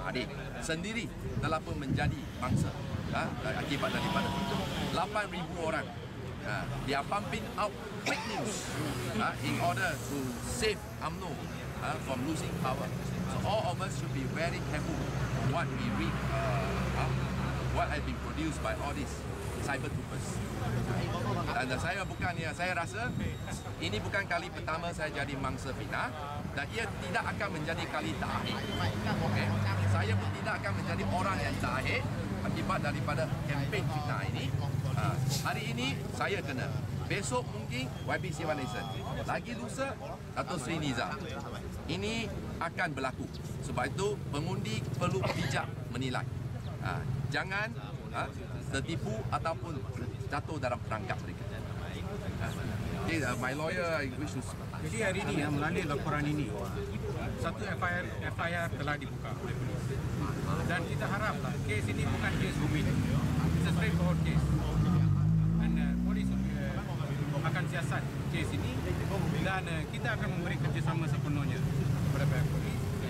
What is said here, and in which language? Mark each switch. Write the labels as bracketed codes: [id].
[ms] Mahathir sendiri telah pun menjadi mangsa akibat daripada itu. [en] 8,000 orang, they are pumping out fake news in order to save UMNO from losing power. So all of us should be very careful what we read, what has been produced by all these cyber troopers. [ms] Dan saya bukan, ya, saya rasa ini bukan kali pertama saya jadi mangsa fitnah dan ia tidak akan menjadi kali terakhir. Okay? Saya pun tidak akan menjadi orang yang terakhir akibat daripada kempen fitnah ini. Hari ini saya kena, besok mungkin YB Sivan Nation, lagi lusa Dato' Sri Nizam. Ini akan berlaku. Sebab itu pengundi perlu bijak menilai. Jangan tertipu ataupun jatuh dalam perangkap mereka. [en] Okay, my lawyer, I wish to speak. [ms] Jadi hari ini yang melalui laporan ini, satu FIR telah dibuka oleh polis. Dan kita haraplah kes ini bukan kes rumit. [en] It's a straightforward case. [ms] Dan polis akan siasat kes ini dan kita akan memberi kerjasama sepenuhnya kepada pihak polis.